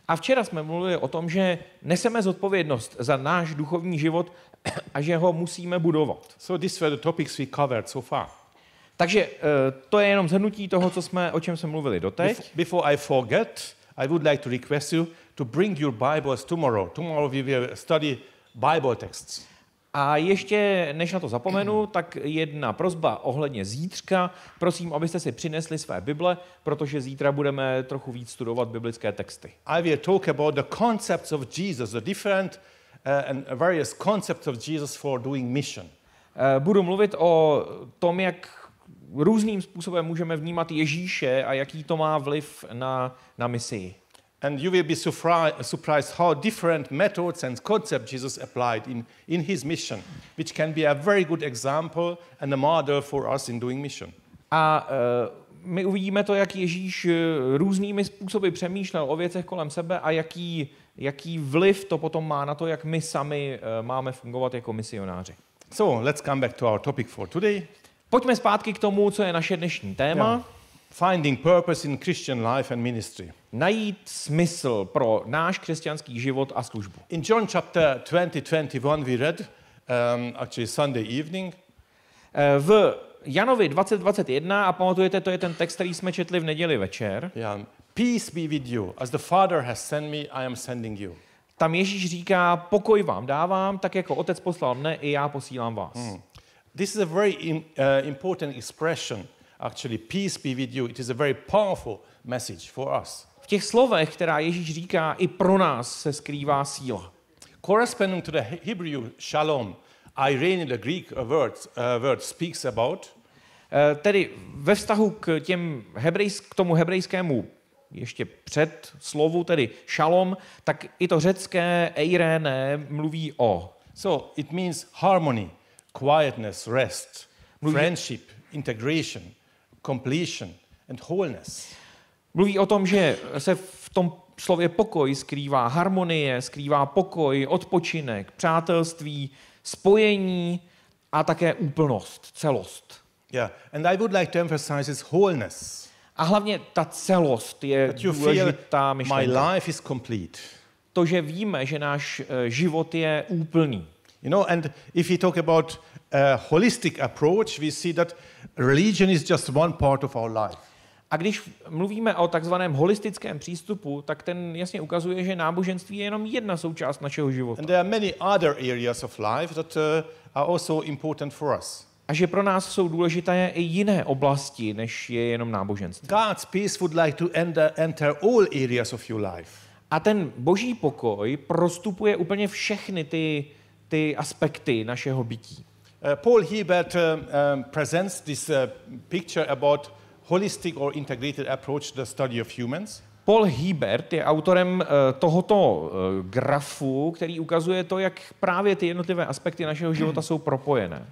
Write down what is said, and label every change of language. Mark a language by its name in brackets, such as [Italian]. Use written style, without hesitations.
[Czech] A včera jsme mluvili o tom, že neseme zodpovědnost za náš duchovní život a že ho musíme budovat. [English] So these were the topics we covered so far. [Czech] Takže to je jenom zhrnutí toho, o čem jsme mluvili doteď. [English] Before I forget, I would like to request you to bring your Bibles tomorrow. Tomorrow we will study Bible texts. [Czech] A ještě, než na to zapomenu, tak jedna prosba ohledně zítřka. Prosím, abyste si přinesli své Bible, protože zítra budeme trochu víc studovat biblické texty. [English] I will talk about the concepts of Jesus, the different and various concepts of Jesus for doing mission. [Czech] Budu mluvit o tom, jak různým způsobem můžeme vnímat Ježíše a jaký to má vliv na misii. [English] And you will be surprised how different methods and concepts Jesus applied in his mission, which can be a very good example and a model for us in doing mission. [Czech] A my uvidíme to, jak Ježíš různými způsoby přemýšlel o věcech kolem sebe a jaký vliv to potom má na to, jak my sami máme fungovat jako misionáři. [English] So, let's come back to our topic for today. [Czech] Pojďme zpátky k tomu, co je naše dnešní téma. [English] Yeah. Finding purpose in Christian life and ministry. [Czech] Najít smysl pro náš křesťanský život a službu. [English] In John chapter 20:21 we read actually Sunday evening. [Czech] V Janovi 20:21 a pamatujete, to je ten text, který jsme četli v neděli večer. [English] Yeah. Peace be with you as the Father has sent me, I am sending you. [Czech] Tam Ježíš říká, pokoj vám dávám, tak jako Otec poslal mne, i já posílám vás. [English] This is a very important expression. actually peace be with you. It is a very powerful message for us. [Czech] V těch slovech, která Ježíš říká, i pro nás se skrývá síla. [English] Corresponding to the Hebrew shalom, Irene, the Greek word speaks about. [Czech] Tedy ve vztahu k těm hebrejskému ještě před slovu, tedy shalom, tak i to řecké Eirene mluví o. [English] So it means harmony, quietness, rest, friendship, integration, completion and wholeness. [Czech] Mluví o tom, že se v tom slově pokoj skrývá harmonie, skrývá pokoj, odpočinek, přátelství, spojení a také úplnost, celost. [English] Yeah, and I would like to emphasize this wholeness. [Czech] A hlavně ta celost je důležitá myšlenka. [English] My life is complete. [Czech] To, že víme, že náš život je úplný. [English] You know, and if we talk about a holistic approach, we see that religion is just one part of our life. [Czech] A když mluvíme o takzvaném holistickém přístupu, tak ten jasně ukazuje, že náboženství je jenom jedna součást našeho života. [English] And there are many other areas of life that are also important for us. [Czech] A že pro nás jsou důležité i jiné oblasti, než je jenom náboženství. [English] God's peace would like to enter all areas of your life. [Czech] A ten Boží pokoj prostupuje úplně všechny ty aspekty našeho bytí. [English] Paul Hebert presents this picture about holistic or integrated approach to the study of humans. [Czech] Paul Hebert je autorem tohoto grafu, který ukazuje to, jak právě ty jednotlivé aspekty našeho života jsou propojené.